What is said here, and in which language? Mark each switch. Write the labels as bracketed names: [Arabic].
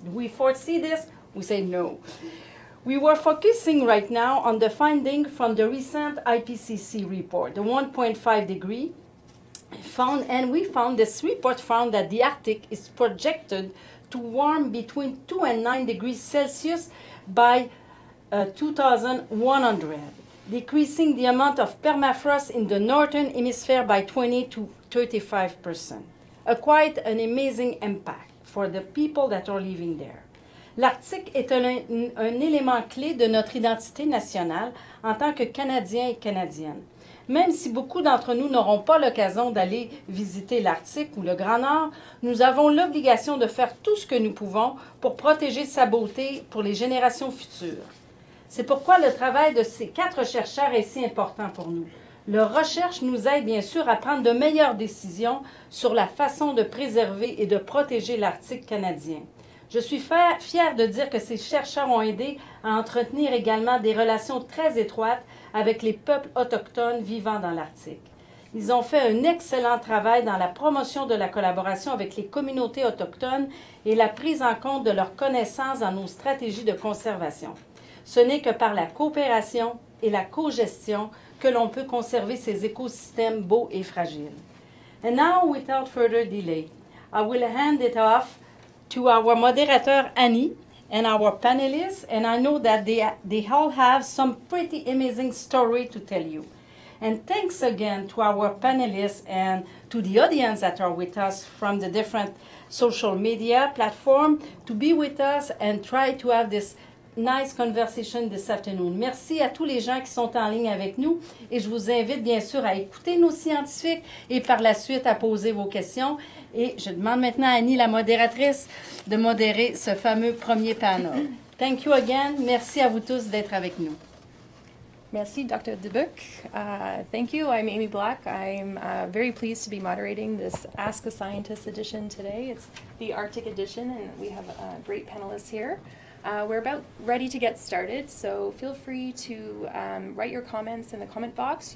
[English] Do we foresee this? We say no. We were focusing right now on the finding from the recent IPCC report, the 1.5 degree, found that the Arctic is projected to warm between 2 and 9 degrees Celsius by 2100, decreasing the amount of permafrost in the northern hemisphere by 20 to 35%. Quite an amazing impact for the people that are living there. [French] L'Arctic est un élément clé de notre identité nationale en tant que Canadiens et Canadiennes. Même si beaucoup d'entre nous n'auront pas l'occasion d'aller visiter l'Arctique ou le Grand Nord, nous avons l'obligation de faire tout ce que nous pouvons pour protéger sa beauté pour les générations futures. C'est pourquoi le travail de ces quatre chercheurs est si important pour nous. Leur recherche nous aide bien sûr à prendre de meilleures décisions sur la façon de préserver et de protéger l'Arctique canadien. Je suis fière de dire que ces chercheurs ont aidé à entretenir également des relations très étroites avec les peuples autochtones vivant dans l'Arctique. Ils ont fait un excellent travail dans la promotion de la collaboration avec les communautés autochtones et la prise en compte de leurs connaissances dans nos stratégies de conservation. Ce n'est que par la coopération et la co-gestion que l'on peut conserver ces écosystèmes beaux et fragiles. [English] And now, without further delay, I will hand it off to our moderator, Annie, and our panelists, and I know that they all have some pretty amazing story to tell you. And thanks again to our panelists and to the audience that are with us from the different social media platform to be with us and try to have this nice conversation this afternoon. [French] Merci à tous les gens qui sont en ligne avec nous et je vous invite bien sûr à écouter nos scientifiques et par la suite à poser vos questions. Et je demande maintenant à Annie, la modératrice, de modérer ce fameux premier panel. [English] Thank you again. [French] Merci à vous tous d'être avec nous. [English] Merci, Dr. Dubuc. Thank you. I'm Amy Black. I'm very pleased to be moderating this Ask a Scientist edition today. It's the Arctic edition, and we have a great panelists here. We're about ready to get started, so feel free to write your comments in the comment box.